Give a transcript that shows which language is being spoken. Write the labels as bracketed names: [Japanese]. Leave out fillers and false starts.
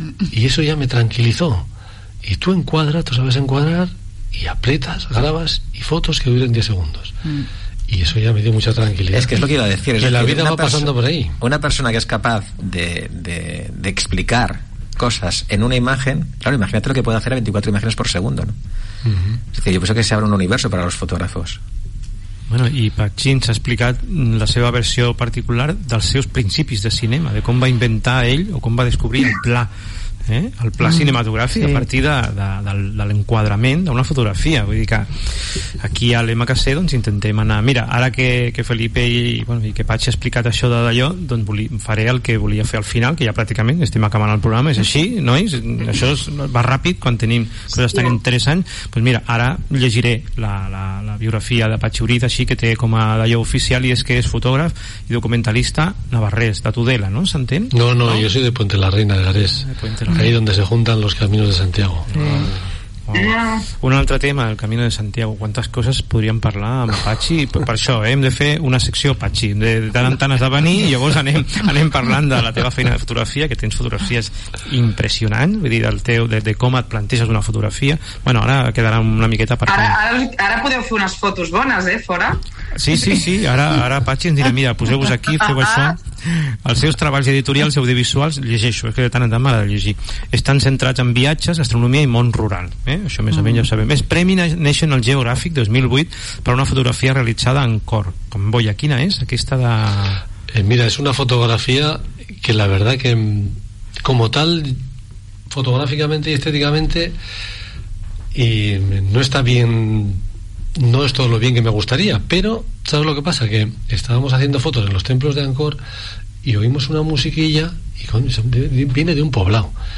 [Spanish] Y eso ya me tranquilizó. Y tú encuadras, tú sabes encuadrar, y aprietas, grabas, y fotos que duren 10 segundos. Y eso ya me dio mucha tranquilidad. Es que es lo que iba a decir. Que la vida va pasando por ahí. Una persona que es capaz de explicar cosas en una imagen, claro, imagínate lo que puede hacer a 24 imágenes por segundo, ¿no? Uh-huh. Es decir, yo pienso que se abre un universo para los fotógrafos. [Catalan] Bueno, i Pachín s'ha explicat la seva versió particular dels seus principis de cinema, de com va inventar ell o com va descobrir el pla cinematogràfic, sí. A partir de l'enquadrament d'una fotografia. Vull dir que aquí a l'MKC doncs intentem anar, mira, ara que Felipe i que Pachín ha explicat això d'allò, doncs faré el que volia fer al final, que ja pràcticament estem acabant el programa. És així, nois? Això va ràpid quan tenim coses tan interessants. Doncs mira, ara llegiré la biografia de Pachín Uriz, així, que té com a d'allò oficial, i és que és fotògraf i documentalista navarrès de Tudela, no? S'entén? [Spanish] No, jo soy de Puente la Reina, de Garés. Ahí donde se juntan los caminos de Santiago. [Catalan] Wow. Un altre tema, el Camino de Santiago. Quantes coses podríem parlar amb Pachi? Per això, hem de fer una secció, Pachi. De tant en tant has de venir i llavors anem parlant de la teva feina de fotografia, que tens fotografies impressionants, vull dir, de com et planteges una fotografia. Bueno, ara quedarà una miqueta per... Ara podeu fer unes fotos bones, fora. Sí. Ara Pachi ens dirà: mira, poseu-vos aquí, feu això. Els seus treballs editorials i audiovisuals, llegeixo, és que de tant en tant m'agrada llegir, estan centrats en viatges, gastronomia i món rural. Això més o menys ja ho sabem. És Premi National Geographic 2008 per una fotografia realitzada en cor. Com boia, quina és aquesta de... [Spanish] Mira, [Catalan] és una fotografia que [Spanish] la verdad que como tal, fotográficamente y estéticamente, y no está bien, no es todo lo bien que me gustaría, pero ¿sabes lo que pasa? Que estábamos haciendo fotos en los templos de Angkor y oímos una musiquilla y viene de un poblado.